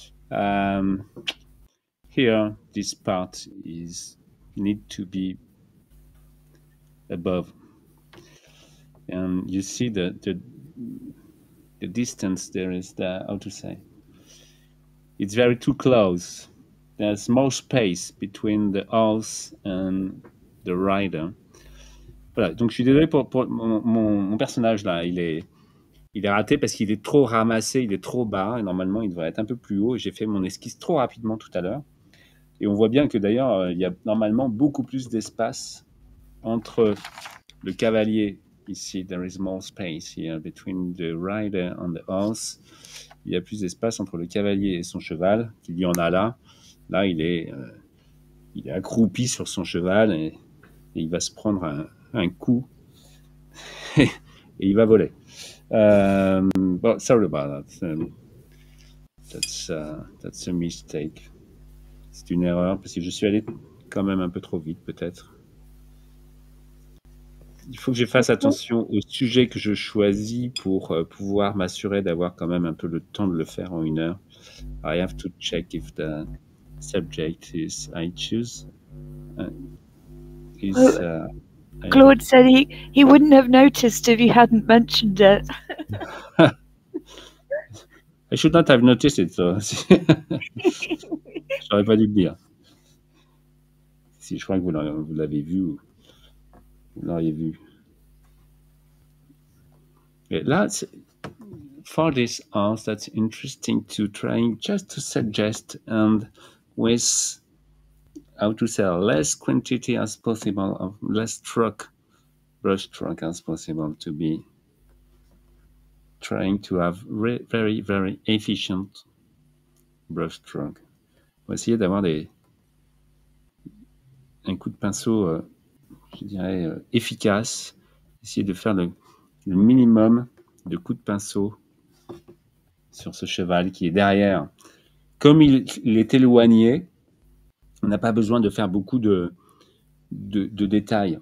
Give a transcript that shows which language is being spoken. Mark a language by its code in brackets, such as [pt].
[en] Here, this part is need to be above. And you see the distance there is the, how to say? It's very too close. There's more space between the horse and the rider. [fr] Voilà, donc je suis désolé pour mon personnage là, il est raté parce qu'il est trop ramassé, il est trop bas, et normalement il devrait être un peu plus haut. J'ai fait mon esquisse trop rapidement tout à l'heure. Et on voit bien que d'ailleurs, il y a normalement beaucoup plus d'espace entre le cavalier ici. [en] There is more space here between the rider and the horse. [fr] Il y a plus d'espace entre le cavalier et son cheval qu'il y en a là. Là, il est accroupi sur son cheval et il va se prendre un coup et il va voler. [en] Well, sorry about that. That's a mistake. [fr] C'est une erreur parce que je suis allé quand même un peu trop vite, peut-être. Il faut que je fasse attention au sujet que je choisis pour pouvoir m'assurer d'avoir quand même un peu le temps de le faire en une heure. [en] I have to check if the subject is I choose. Claude said he wouldn't have noticed if you hadn't mentioned it. I should not have noticed it, though. [fr] J'aurais pas dû le dire. Si je crois que vous l'avez vu, vous l'auriez vu. [en] Yeah, that's for this house. That's interesting to try just to suggest and with how to sell less quantity as possible of less truck, brush truck as possible to be trying to have very very efficient brush truck. [fr] Essayer d'avoir un coup de pinceau, je dirais, efficace. Essayer de faire le minimum de coups de pinceau sur ce cheval qui est derrière. Comme il est éloigné, on n'a pas besoin de faire beaucoup de détails.